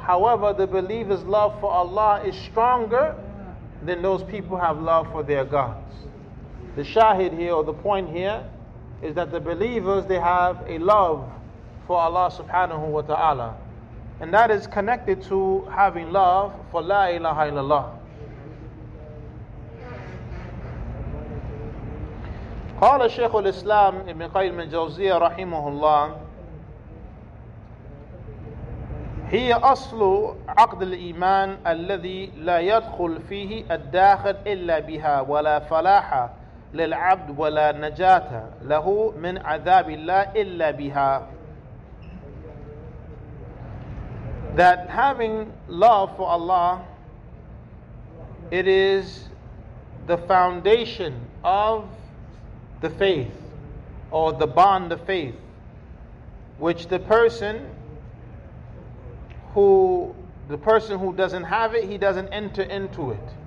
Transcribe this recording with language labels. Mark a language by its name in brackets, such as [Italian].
[English] However, the believers' love for Allah is stronger than those people have love for their gods. The shahid here, or the point here, is that the believers, they have a love for Allah subhanahu wa ta'ala. And that is connected to having love for la ilaha illallah. [Arabic] قال الشيخ الإسلام ابن قيم الجوزية رحمه الله هي أصل عقد الإيمان الذي لا يدخل فيه الداخل إلا بها ولا فلاح للعبد ولا نجاة له من عذاب الله إلا بها. [English] That having love for Allah, it is the foundation of the faith, or the bond of faith, which the person who doesn't have it, he doesn't enter into it.